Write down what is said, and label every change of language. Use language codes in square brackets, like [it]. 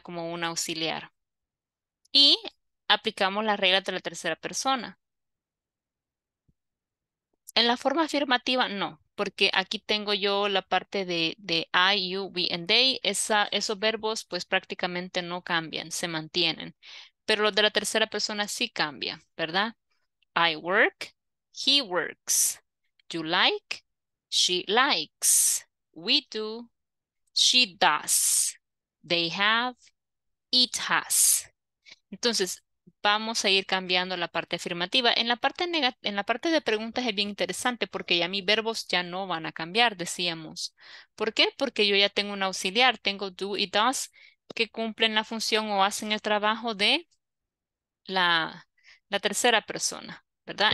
[es] Como un auxiliar. Y aplicamos las reglas de la tercera persona. En la forma afirmativa, no, porque aquí tengo yo la parte de I, you, we, and they. Esos verbos, pues, prácticamente no cambian, se mantienen. Pero los de la tercera persona sí cambia, ¿verdad? [en] I work, he works, you like, she likes, we do, she does, they have, it has. [es] Entonces, vamos a ir cambiando la parte afirmativa. En la parte de preguntas es bien interesante porque ya mis verbos ya no van a cambiar, decíamos. ¿Por qué? Porque yo ya tengo un auxiliar. Tengo do y does que cumplen la función o hacen el trabajo de la tercera persona, ¿verdad?